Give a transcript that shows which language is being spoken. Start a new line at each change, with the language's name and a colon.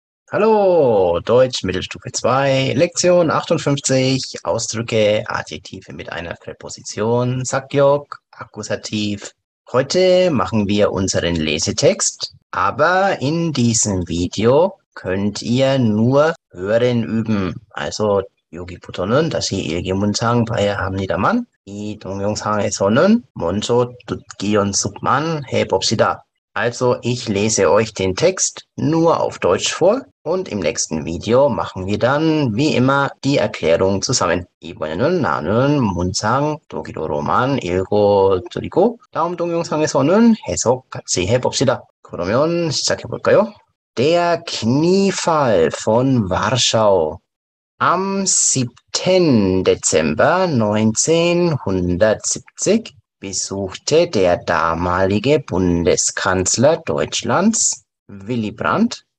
German: Hallo, Deutsch Mittelstufe 2, Lektion 58, Ausdrücke, Adjektive mit einer Präposition, Sakyok, Akkusativ. Heute machen wir unseren Lesetext, aber in diesem Video könnt ihr nur Hören üben. Also,
Korean: 여기부터는 다시 읽기 문장 봐야 합니다만, 이 동영상에서는 먼저 듣기 연습만 해봅시다.
German: Also, ich lese euch den Text nur auf Deutsch vor und im nächsten Video machen wir dann wie immer die Erklärung zusammen.
Korean: 이번에는 나는 문장 독일어로만 읽어드리고, 다음 동영상에서는 해석 같이 해봅시다. 그러면 시작해볼까요?
German: Der Kniefall von Warschau. Am 7. Dezember 1970 besuchte der damalige Bundeskanzler Deutschlands, Willy Brandt,